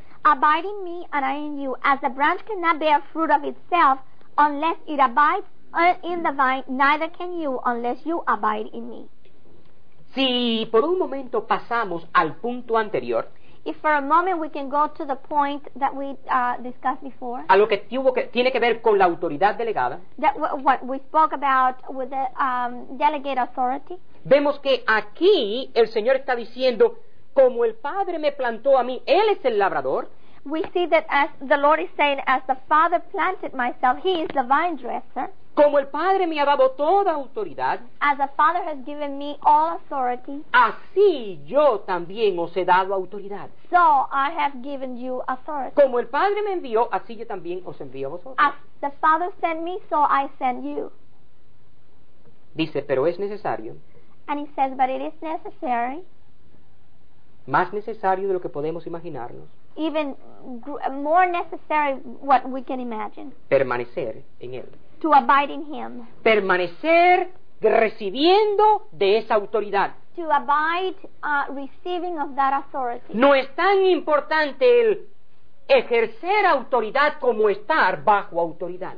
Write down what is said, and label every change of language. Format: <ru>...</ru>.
<en>Abide in me and I in you. As the branch cannot bear fruit of itself, unless it abides in the vine, neither can you unless you abide in me.</en> <es>Si por un momento pasamos al punto anterior,</es> <en>if for a moment we can go to the point that we discussed before,</en> <es>a lo que tiene que ver con la autoridad delegada,</es> <en>that what we spoke about with the delegate authority,</en> <es>vemos que aquí el Señor está diciendo, como el Padre me plantó a mí, Él es el labrador.</es> <en>We see that as the Lord is saying, as the Father planted myself, he is the vine dresser.</en> <es>Como el Padre me ha dado toda autoridad,</es> <en>as the Father has given me all authority,</en> <es>así yo también os he dado autoridad.</es> <en>So I have given you authority.</en> <es>Como el Padre me envió, así yo también os envío a vosotros.</es> <en>As the Father sent me, so I send you.</en> <es>Dice, pero es necesario.</es> <en>And he says, but it is necessary.</en> <es>más necesario de lo que podemos imaginarnos.</es> <en>Even more necessary what we can imagine.</en> <es>Permanecer en él.</es> <en>To abide in him.</en> <es>Permanecer recibiendo de esa autoridad.</es> <en>To abide receiving of that authority.</en> <es>No es tan importante el ejercer autoridad como estar bajo autoridad.</es>